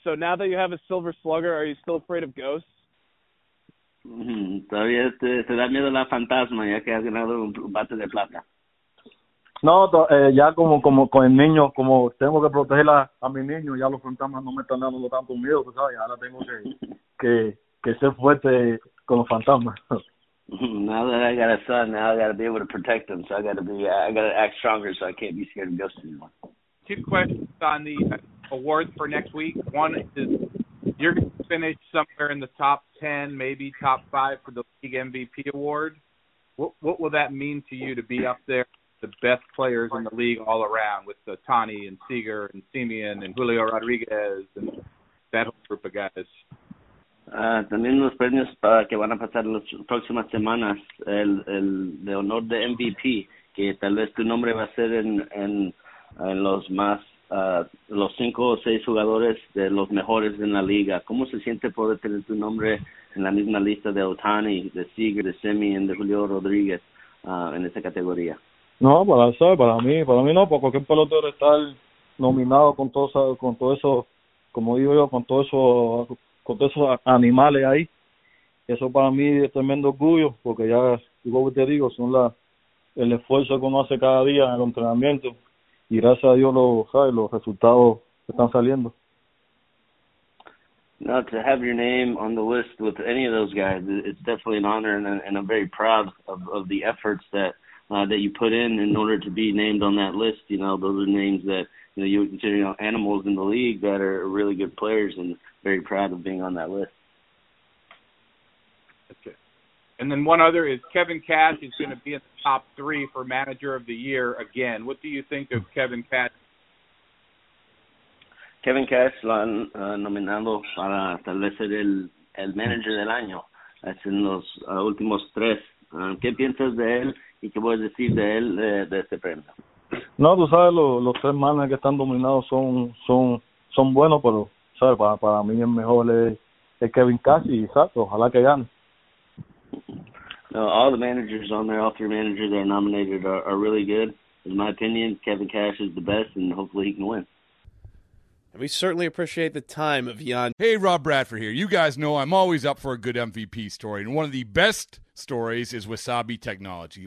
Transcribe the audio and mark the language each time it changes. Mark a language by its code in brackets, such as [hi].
[en] So now that you have a silver slugger, are you still afraid of ghosts? [es] Todavía te da miedo la fantasma ya que has ganado un bate de plata. No, ya como con el niño, como tengo que proteger a mi niño, ya los fantasmas no me están dando tanto miedo, tú sabes, ahora tengo que ser fuerte con los fantasmas. [en] Now that I got a son, now I got to be able to protect him, so I got to act stronger so I can't be scared of ghosts anymore. Two questions on the awards for next week. One is, you're going to finish somewhere in the top 10, maybe top 5 for the league MVP award. What will that mean to you to be up there? The best players in the league all around, with Otani and Seager and Simeon and Julio Rodriguez and that whole group of guys. [es] También los premios para que van a pasar las próximas semanas, el de honor de MVP, que tal vez tu nombre va a ser en los más los cinco o seis jugadores de los mejores en la liga. ¿Cómo se siente poder tener tu nombre en la misma lista de Otani, de Seager, de Semien, de Julio Rodríguez en esa categoría? No, para mí no, para cualquier pelotero estar nominado con todo eso, como digo yo, con todos esos animales ahí. Eso para mí es tremendo orgullo, porque ya, igual que te digo, son el esfuerzo que uno hace cada día en el entrenamiento, y gracias a Dios los resultados están saliendo. [en] Now, to have your name on the list with any of those guys, it's definitely an honor, and I'm very proud of the efforts that you put in order to be named on that list. You know, those are names that, you know, you would consider, you know, animals in the league that are really good players, and very proud of being on that list. And then one other is Kevin Cash is going to be in the top three for Manager of the Year again. What do you think of Kevin Cash? [es] Kevin Cash lo han nominado para tal vez ser el Manager del Año. Es en los últimos tres. ¿Qué piensas de él y qué puedes decir de él de este premio? No, tú sabes, los tres managers que están nominados son buenos, pero sabes, para mí el mejor es Kevin Cash, y exacto, ojalá que gane. [en] All the managers on there, all three managers that are nominated are really good. In my opinion, Kevin Cash is the best, and hopefully he can win. And we certainly appreciate the time of Yandy. Hey, Rob Bradford here. You guys know I'm always up for a good MVP story, and one of the best stories is Wasabi Technology.